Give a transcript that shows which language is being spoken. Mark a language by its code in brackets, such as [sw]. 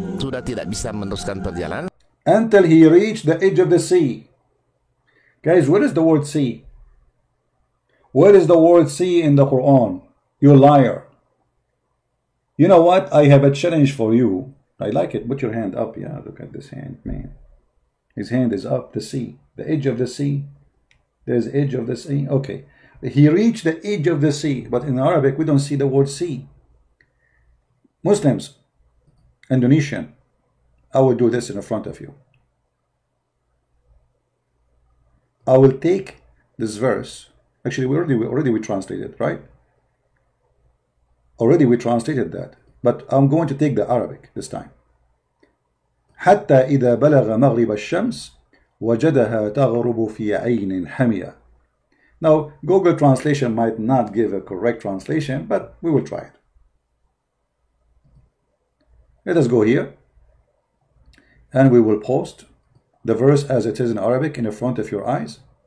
[id] Sudah tidak bisa meneruskan perjalanan. [en] Until he reached the edge of the sea. Guys, where is the word sea? Where is the word sea in the Quran? You liar. You know what? I have a challenge for you. I like it. Put your hand up. Yeah, look at this hand, man. His hand is up. The sea. The edge of the sea. There's edge of the sea. Okay. He reached the edge of the sea. But in Arabic, we don't see the word sea. Muslims, Indonesian, I will do this in front of you. I will take this verse. Actually, we translated, right? Already we translated that, but I'm going to take the Arabic this time. [ar] حتى إذا بلغ مغرب الشمس وجدها تغرب في عين حمية. [en] Now, Google translation might not give a correct translation, but we will try it. Let us go here. And we will post the verse as it is in Arabic in the front of your eyes.